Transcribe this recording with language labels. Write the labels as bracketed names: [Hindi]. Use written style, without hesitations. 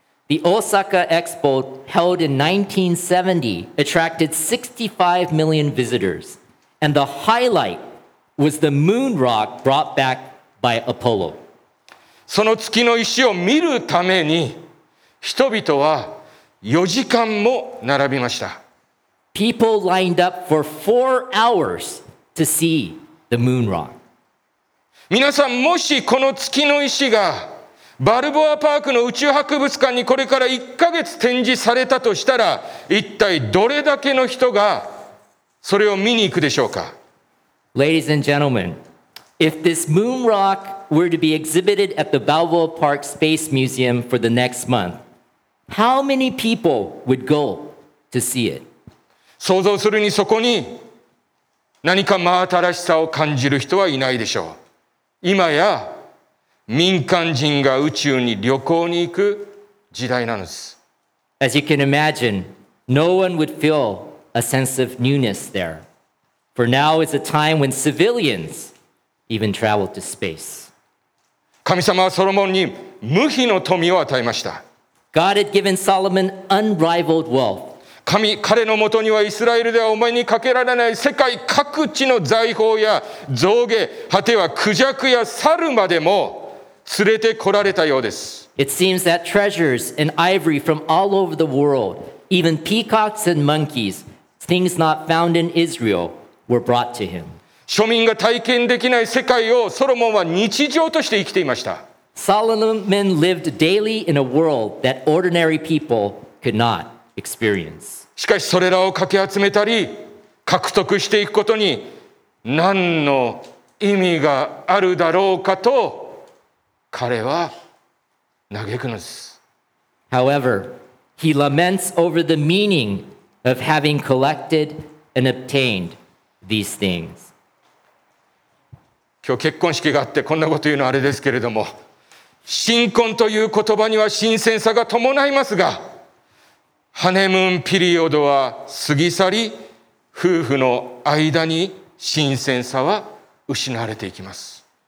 [English] The Osaka Expo held in 1970 attracted 65 million visitors, and the highlight was the moon rock brought back by Apollo. [Japanese] その月の石を見るために人々は4時間も並びました。 [English] People lined up for 4 hours to see the moon rock. [Japanese] 皆さん、もしこの月の石がバルボアパークの宇宙博物館にこれから1ヶ月展示されたとしたら、一体どれだけの人がそれを見に行くでしょうか。 [English] Ladies and gentlemen, if this moon rock were to be exhibited at the Balboa Park Space Museum for the next month, how many people would go to see it? [Japanese] 想像するにそこに何か真新しさを感じる人はいないでしょう。今や民間人が宇宙に旅行に行く時代なのです。 [English] As you can imagine, no one would feel a sense of newness there. For now is a time when civilians even travel to space. [Japanese] 神様はソロモンに無比の富を与えました。 [English] God had given Solomon unrivaled wealth. [Japanese] 神、彼のもとにはイスラエルではお目にかけられない世界各地の財宝や象牙、果てはクジャクや猿までも連れてこられたようです。 [English] It seems that treasures and ivory from all over the world, even peacocks and monkeys, things not found in Israel, were brought to him. [Japanese] 庶民が体験できない世界をソロモンは日常として生きていました。 [English] Solomon lived daily in a world that ordinary people could not. [Japanese] しかしそれらをかき集めたり獲得していくことに何の意味があるだろうかと彼は嘆くのです。 [English] However, he laments over the meaning of having collected and obtained these things. [Japanese] 今日結婚式があってこんなこと言うのはあれですけれども、新婚という言葉には新鮮さが伴いますが、ハネムーンピリオドは過ぎ去り、夫婦の間に新鮮さは失われていきます。